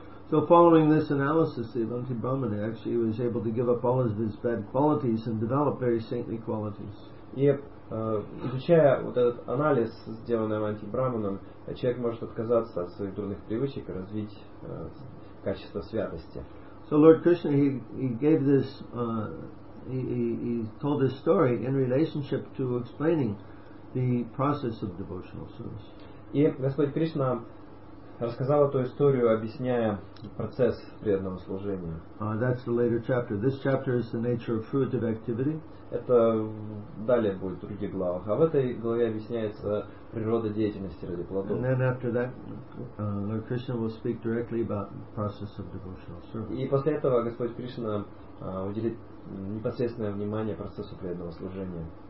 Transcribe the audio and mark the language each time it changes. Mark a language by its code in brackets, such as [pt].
[en] So following this analysis, the Avaduta Brahmana actually was able to give up all of his bad qualities and develop very saintly qualities. Yep. [ru] изучая вот этот анализ, сделанный Аванти Брахманом, человек может отказаться от своих дурных привычек и развить качество святости. [en] So Lord Krishna he gave this he told this story in relationship to explaining the process of devotional service. [ru] И Господь Кришна рассказал эту историю, объясняя процесс преданного служения. [en] That's the later chapter. This chapter is the nature of fruitive activity. [ru] Это далее будет в других главах. А в этой главе объясняется природа деятельности ради плодов. [en] And then after that, Lord Krishna will speak directly about the process of devotional service. [ru] И после этого Господь Кришна уделит непосредственное внимание процессу преданного служения.